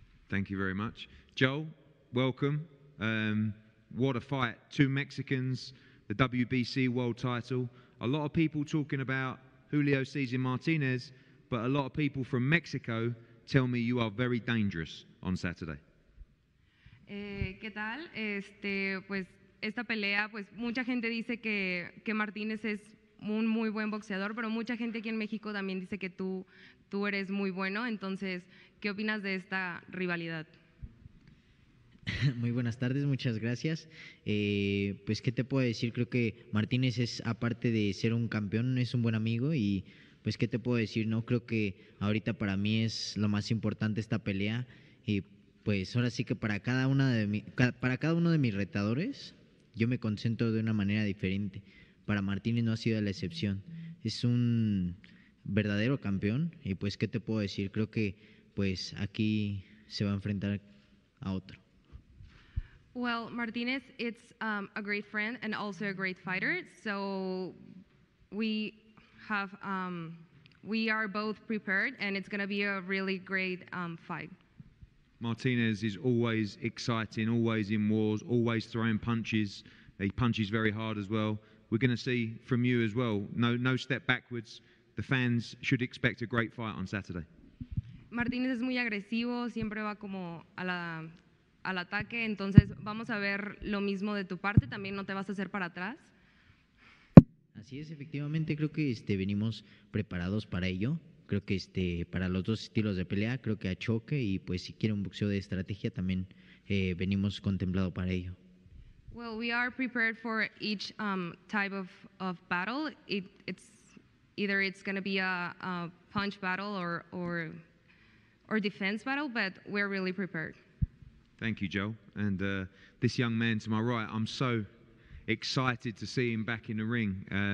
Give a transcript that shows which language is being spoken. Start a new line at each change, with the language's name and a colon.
English: Thank you very much. Joel, welcome. What a fight. Two Mexicans the WBC world title. A lot of people talking about Julio Cesar Martinez, but a lot of people from Mexico tell me you are very dangerous on Saturday.
Spanish: ¿Qué tal? Pues esta pelea, pues mucha gente dice que Martínez es un muy buen boxeador, pero mucha gente aquí en México también dice que tú eres muy bueno. Entonces, ¿qué opinas de esta rivalidad? Muy buenas tardes, muchas gracias. Pues, ¿qué te puedo decir? Creo que Martínez es, aparte de ser un campeón, es un buen amigo. Y, pues, ¿qué te puedo decir? No, creo que ahorita para mí es lo más importante esta pelea. Y, pues, ahora sí que para cada uno de mis retadores, yo me concentro de una manera diferente. Para Martínez no ha sido la excepción. Es un verdadero campeón. Y, pues, ¿qué te puedo decir? Creo que, pues, aquí se va a enfrentar a otro.
English: Well, Martinez, it's a great friend and also a great fighter. So we are both prepared, and it's going to be a really great fight. Martinez is always exciting, always in wars, always throwing punches. He punches very hard as well. We're going to see from you as well. No step backwards. The fans should expect a great fight on Saturday.
Spanish: Martinez es muy agresivo. Siempre va como al ataque, entonces vamos a ver lo mismo de tu parte, también no te vas a hacer para atrás. Así es, efectivamente, creo que venimos preparados para ello, creo que para los dos estilos de pelea, creo que a choque y pues si quiere un boxeo de estrategia también venimos contemplado para ello.
English: Well, we are prepared for each type of battle. It's either it's going to be a punch battle or defense battle, but we're really prepared. Thank you, Joel. And this young man to my right, I'm so excited to see him back in the ring.